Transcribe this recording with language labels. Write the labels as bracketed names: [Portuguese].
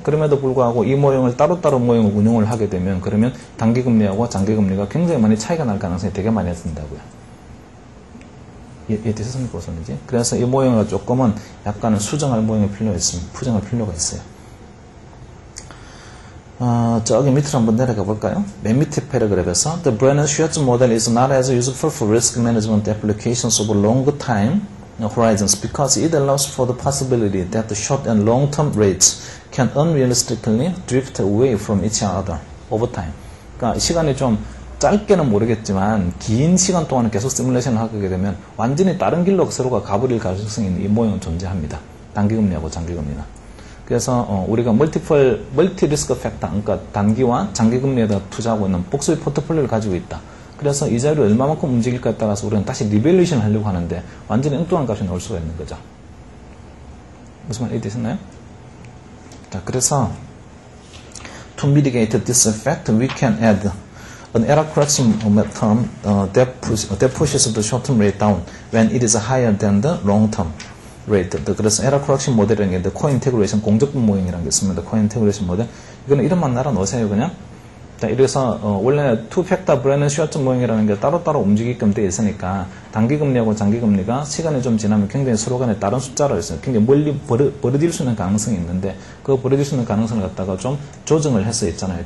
[Korean] 그럼에도 불구하고 이 모형을 따로따로 모형을 운용을 하게 되면 그러면 단기금리하고 장기금리가 굉장히 많이 차이가 날 가능성이 되게 많이 든다고요. 이해되셨습니까? 무슨 말인지. 그래서 이 모형을 조금은 약간은 수정할 모형이 필요가 있습니다. 수정할 필요가 있어요. 저기 밑으로 한번 내려가 볼까요? 맨 밑에 [English] paragraph에서 The Brennan Schwartz model is not as useful for risk management applications over long time horizons because it allows for the possibility that the short and long term rates can unrealistically drift away from each other over time. [Korean] 그러니까 시간이 좀 짧게는 모르겠지만 긴 시간 동안 계속 시뮬레이션을 하게 되면 완전히 다른 길로 서로가 가버릴 가능성이 있는 이 모형은 존재합니다. 단기금리하고 장기금리나. 그래서 우리가 멀티 리스크 팩터, 그러니까 단기와 장기금리에다 투자하고 있는 복수의 포트폴리오를 가지고 있다. 그래서 이자율이 얼마만큼 움직일까에 따라서 우리는 다시 리밸류에이션을 하려고 하는데 완전히 엉뚱한 값이 나올 수가 있는 거죠. 무슨 말 이해되셨나요? 자, 그래서 [English] to mitigate this effect, we can add an error correction method, that pushes the short-term rate down when it is higher than the long-term rate. [Korean] 그래서 error correction model이라는 게 있는데, co-integration, 공적분 모형이라는 게 있습니다. co-integration model. 이거는 이름만 날아놓으세요, 그냥. 자, 이래서, 원래 2-factor Brennan Schwartz 모형이라는 게 따로따로 움직이게끔 되어 있으니까, 단기금리하고 장기금리가 시간이 좀 지나면 굉장히 서로 간에 다른 숫자로 있어요. 굉장히 멀리 벌어질 수 있는 가능성이 있는데, 그 벌어질 수 있는 가능성을 갖다가 좀 조정을 해서 있잖아요.